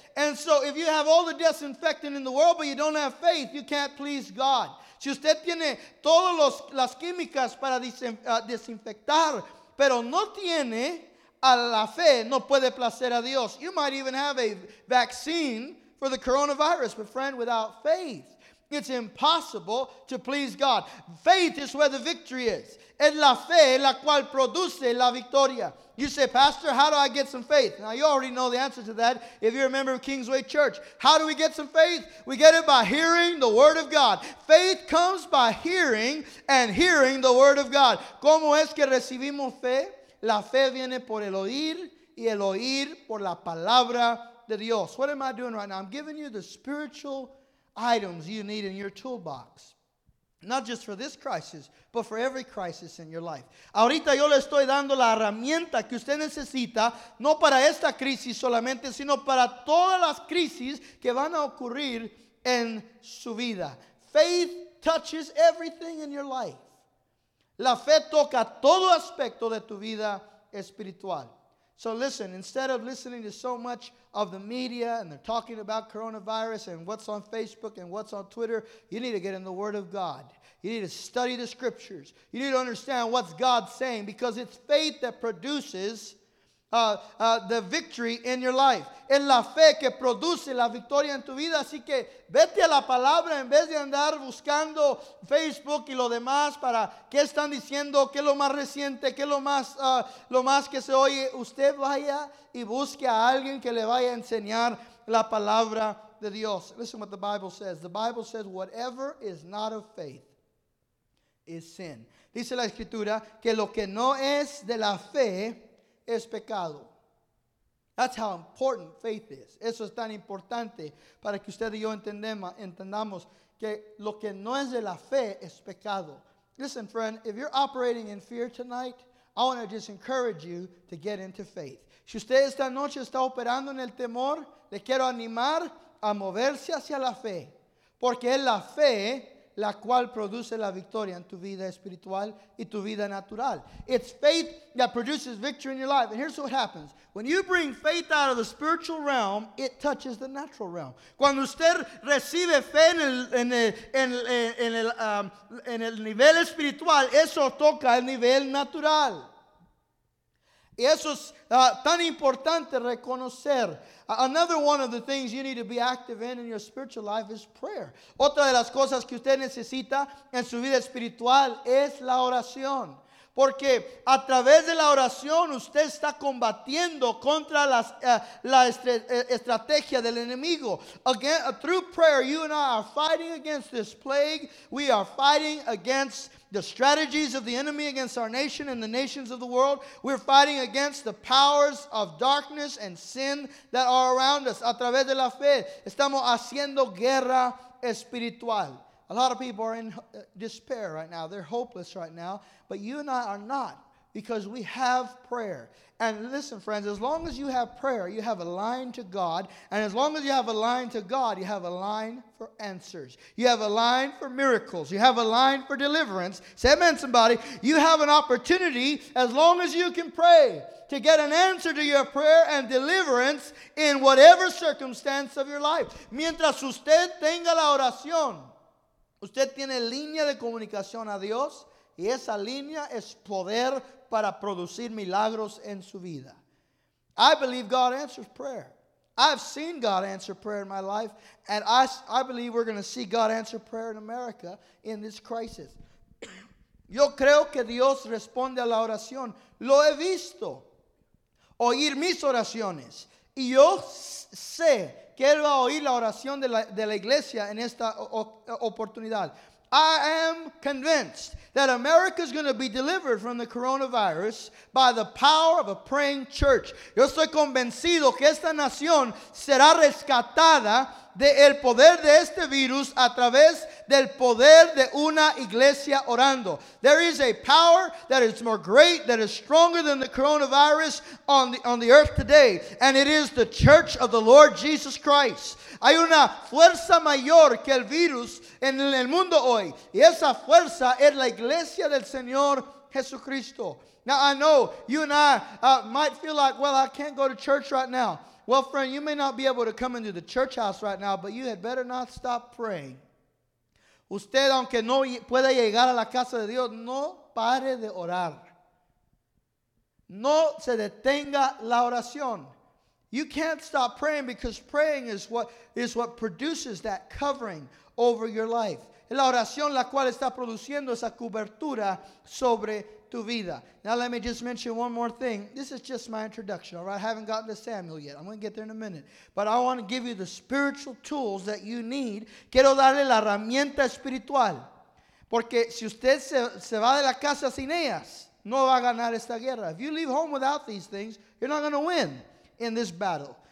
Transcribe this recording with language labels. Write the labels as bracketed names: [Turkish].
[English] And so if you have all the disinfectant in the world, but you don't have faith, you can't please God. [Spanish] Si usted tiene todas las químicas para desinfectar, pero no tiene a la fe, no puede placer a Dios. [English] You might even have a vaccine for the coronavirus, but friend, without faith, it's impossible to please God. Faith is where the victory is. [Spanish] Es la fe la cual produce la victoria. [English] You say, Pastor, how do I get some faith? Now, you already know the answer to that if you're a member of Kingsway Church. How do we get some faith? We get it by hearing the Word of God. Faith comes by hearing and hearing the Word of God. [Spanish] ¿Cómo es que recibimos fe? La fe viene por el oír, y el oír por la palabra de Dios. [English] What am I doing right now? I'm giving you the spiritual items you need in your toolbox. Not just for this crisis, but for every crisis in your life. [Spanish] Ahorita yo le estoy dando la herramienta que usted necesita, no para esta crisis solamente, sino para todas las crisis que van a ocurrir en su vida. [English] Faith touches everything in your life. [Spanish] La fe toca todo aspecto de tu vida espiritual. [English] So listen, instead of listening to so much of the media and they're talking about coronavirus and what's on Facebook and what's on Twitter, you need to get in the Word of God. You need to study the Scriptures. You need to understand what's God saying, because it's faith that produces the victory in your life. [Spanish] Es la fe que produce la victoria en tu vida. Así que vete a la palabra en vez de andar buscando Facebook y lo demás para qué están diciendo, qué es lo más reciente, qué es lo más que se oye. Usted vaya y busque a alguien que le vaya a enseñar la palabra de Dios. [English] Listen what the Bible says. The Bible says whatever is not of faith is sin. [Spanish] Dice la Escritura que lo que no es de la fe es pecado. [English] That's how important faith is. [Spanish] Eso es tan importante para que usted y yo entendamos que lo que no es de la fe es pecado. [English] Listen, friend, if you're operating in fear tonight, I want to just encourage you to get into faith. [Spanish] Si usted esta noche está operando en el temor, le quiero animar a moverse hacia la fe, porque es la fe la cual produce la victoria en tu vida espiritual y tu vida natural. [English] It's faith that produces victory in your life. And here's what happens. When you bring faith out of the spiritual realm, it touches the natural realm. [Spanish] Cuando usted recibe fe en el nivel espiritual, eso toca el nivel natural. Y eso es tan importante reconocer. [English] Another one of the things you need to be active in your spiritual life is prayer. [Spanish] Otra de las cosas que usted necesita en su vida espiritual es la oración. Porque a través de la oración usted está combatiendo contra la estrategia del enemigo. [English] Again, through prayer, you and I are fighting against this plague. We are fighting against the strategies of the enemy against our nation and the nations of the world. We're fighting against the powers of darkness and sin that are around us. [Spanish] A través de la fe, estamos haciendo guerra espiritual. [English] A lot of people are in despair right now. They're hopeless right now. But you and I are not, because we have prayer. And listen, friends, as long as you have prayer, you have a line to God. And as long as you have a line to God, you have a line for answers. You have a line for miracles. You have a line for deliverance. Say amen, somebody. You have an opportunity, as long as you can pray, to get an answer to your prayer and deliverance in whatever circumstance of your life. [Spanish] Mientras usted tenga la oración, usted tiene línea de comunicación a Dios, y esa línea es poder para producir milagros en su vida. [English] I believe God answers prayer. I've seen God answer prayer in my life, and I believe we're going to see God answer prayer in America in this crisis. [Spanish] Yo creo que Dios responde a la oración. Lo he visto. Oír mis oraciones Y yo sé que él va a oír la oración de la iglesia en esta oportunidad. [English] I am convinced that America is going to be delivered from the coronavirus by the power of a praying church. [Spanish] Yo estoy convencido que esta nación será rescatada del poder de este virus a través del poder de una iglesia orando. [English] There is a power that is more great, that is stronger than the coronavirus on the earth today, and it is the church of the Lord Jesus Christ. [Spanish] Hay una fuerza mayor que el virus en el mundo hoy, y esa fuerza es la iglesia del Señor Jesucristo. [English] Now I know you and I might feel like, well, I can't go to church right now. Well, friend, you may not be able to come into the church house right now, but you had better not stop praying. [Spanish] Usted, aunque no pueda llegar a la casa de Dios, no pare de orar. No se detenga la oración. [English] You can't stop praying because praying is what produces that covering over your life. [Spanish] La oración la cual está produciendo esa cobertura sobre tu vida. [English] Now let me just mention one more thing. This is just my introduction, all right? I haven't gotten to Samuel yet. I'm going to get there in a minute. But I want to give you the spiritual tools that you need. [Spanish] Quiero darle la herramienta espiritual. Porque si usted se va de la casa sin ellas, no va a ganar esta guerra. [English] If you leave home without these things, you're not going to win in this battle.